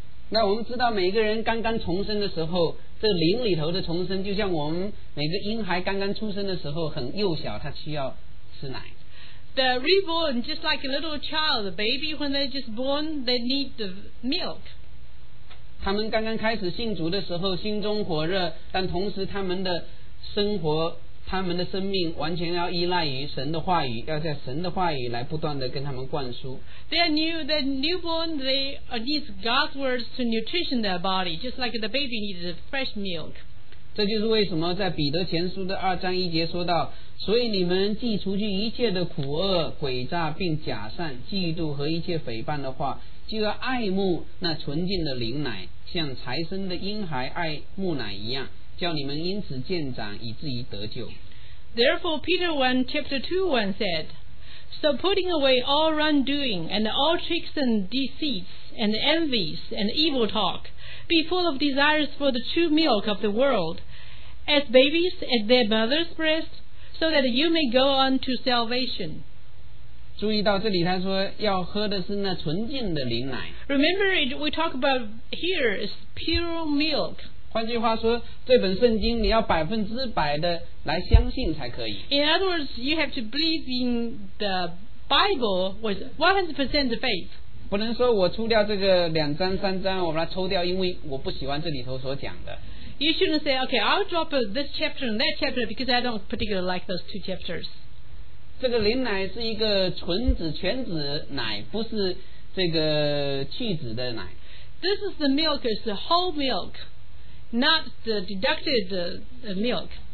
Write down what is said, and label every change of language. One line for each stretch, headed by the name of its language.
Chinese: 那我们知道，每个人刚刚重生的时候，这灵里头的重生，就像我们每个婴孩刚刚出生的时候很幼小，他需要吃奶。
English: The reborn, just like a little child, a baby, when they're just born, they need the milk.
Chinese: 他们刚刚开始信主的时候心中火热但同时他们的生活他们的生命完全要依赖于神的话语要在神的话语来不断地跟他们灌输
English: They are new, the newborn they need God's words to nutrition their body just like the baby needs fresh milk
Chinese: 这就是为什么在彼得前书的二章一节说到所以你们既除去一切的苦恶诡诈并假善嫉妒和一切诽谤的话就要爱慕那纯净的灵奶像才生的婴孩爱慕奶一样叫你们因此渐长以至于得救
English: Therefore Peter 1 chapter 2:1 said So putting away all wrongdoing and all tricks and deceits and envies and evil talk be full of desires for the true milk of the world as babies at their mother's breast so that you may go on to salvation
Chinese: 注意到这里他说要喝的是那纯净的灵奶。
English: Remember it, we talk about here is pure milk.
Chinese: 换句话说这本圣经你要百分之百的来相信才可以。
English: In other words, you have to believe in the Bible with 100% faith.
Chinese: 不能说我出掉这个两章三章我把它抽掉因为我不喜欢这里头所讲的。
English: You shouldn't say, okay, I'll drop this chapter and that chapter because I don't particularly like those two chapters.
Chinese: 这个灵奶是一个纯子全子奶不是这个去子的奶。
English: This is the milk, it's the whole milk, not the deducted milk.